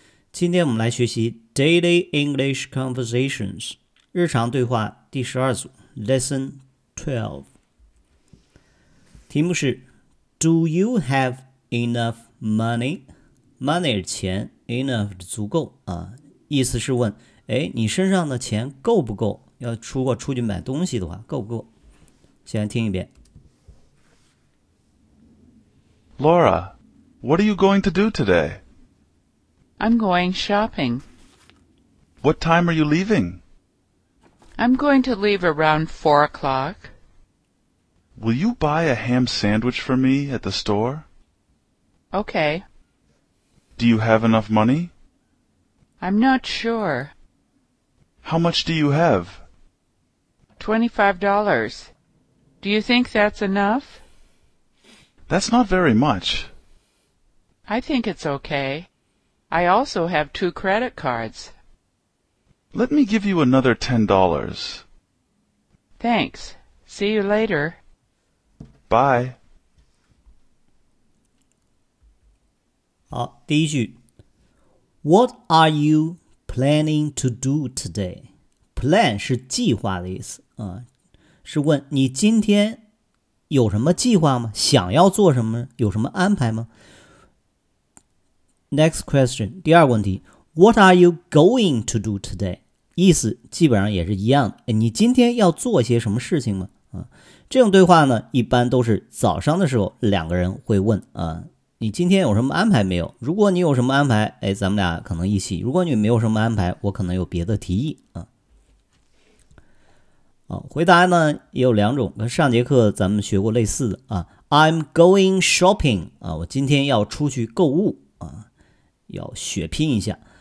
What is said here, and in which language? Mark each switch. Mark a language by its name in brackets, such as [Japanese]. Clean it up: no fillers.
[Chinese] 今天我们来学习 [English] Daily English Conversations [Chinese] 日常对话第十二组 Lesson 12。 [English] 题目是 Do you have enough money? [Chinese] Money 是钱 ，enough 是足够啊，意思是问，哎，你身上的钱够不够？要出过出去买东西的话，够不够？先来听一遍。 [English] Laura, what are you going to do today? I'm going shopping. What time are you leaving? I'm going to leave around 4 o'clock. Will you buy a ham sandwich for me at the store? Okay. Do you have enough money? I'm not sure. How much do you have? $25. Do you think that's enough? That's not very much. I think it's okay. I also have 2 credit cards. Let me give you another $10. Thanks. See you later. Bye. [Chinese] 好，第一句。 [English] What are you planning to do today? [Chinese] Plan 是计划的意思，是问你今天有什么计划吗？想要做什么？有什么安排吗 [English] ？Next question， [Chinese] 第二个问题 [English] ，What are you going to do today？ [Chinese] 意思基本上也是一样的。你今天要做些什么事情吗？这种对话呢，一般都是早上的时候两个人会问你今天有什么安排没有？如果你有什么安排，哎，咱们俩可能一起；如果你没有什么安排，我可能有别的提议回答呢也有两种，跟上节课咱们学过类似的 [English] I'm going shopping [Chinese] 我今天要出去购物要血拼一下。